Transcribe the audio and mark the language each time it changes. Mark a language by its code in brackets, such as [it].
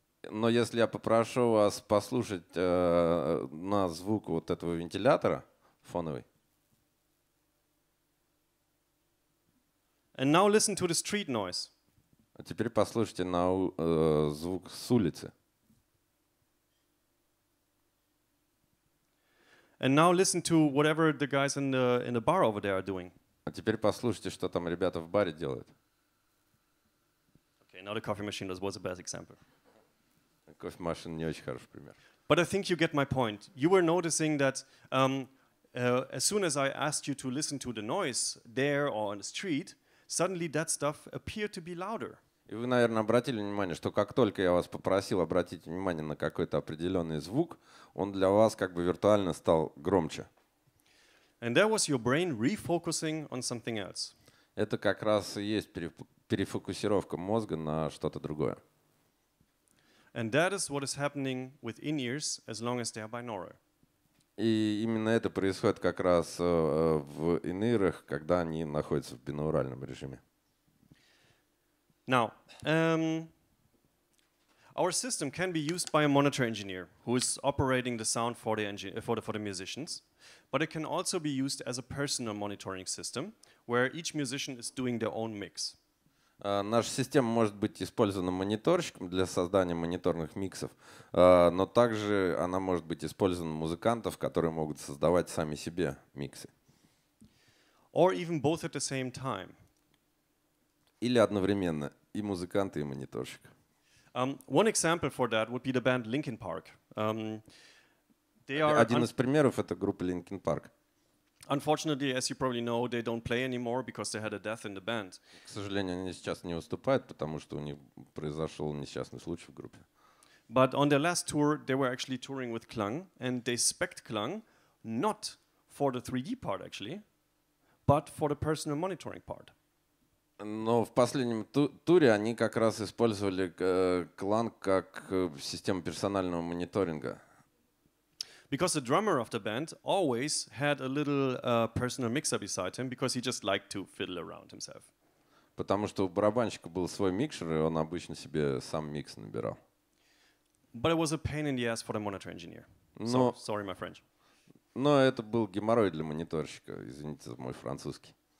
[ru] Но если я попрошу вас послушать на звук вот этого вентилятора фоновый. [en] And now listen to the street noise. [ru] А теперь послушайте на звук с улицы. [en] And now listen to whatever the guys in the bar over there are doing. [ru] А теперь послушайте, что там ребята в баре делают. [en] Okay, now the coffee machine was a bad example. [ru] Кофемашина не очень хороший пример. [en] But I think you get my point. You were noticing that as soon as I asked you to listen to the noise there or on the street, suddenly that stuff appeared to be louder. [ru] И вы, наверное, обратили внимание, что как только я вас попросил обратить внимание на какой-то определенный звук, он для вас как бы виртуально стал громче. [en] And there was your brain refocusing on something else. [ru] Это как раз и есть перефокусировка мозга на что-то другое. [en] And that is what is happening with in-ears as long as they are binaural. [ru] И именно это происходит как раз в in-ear-ах, когда они находятся в бинауральном режиме. [en] Now, our system can be used by a monitor engineer who is operating the sound for the musicians, but it can also be used as a personal monitoring system where each musician is doing their own mix. [ru] Наша система может быть использована мониторщиком для создания мониторных миксов, но также она может быть использована музыкантов, которые могут создавать сами себе миксы. [en] Or even both at the same time. [ru] Или одновременно. И музыканты, и мониторщик. [en] One example for that would be the band Linkin Park. [ru] Один из примеров — это группа Linkin Park. [en] Unfortunately, as you probably know, they don't play anymore because they had a death in the band. [ru] К сожалению, они сейчас не выступают, потому что у них произошел несчастный случай в группе. [en] But on their last tour, they were actually touring with KLANG, and they spec'd KLANG not for the 3D part, actually, but for the personal monitoring part. [ru] Но в последнем туре они как раз использовали KLANG как систему персонального мониторинга. [en] because the drummer of the band always had a little personal mixer beside him because he just liked to fiddle around himself. [ru] Потому что у барабанщика был свой микшер, и он обычно себе сам микс набирал. [en] But it was a pain in the ass for the monitor engineer. [ru] Но, [en] so, sorry, my French. [ru] Но это был геморрой для мониторщика. Извините за мой французский.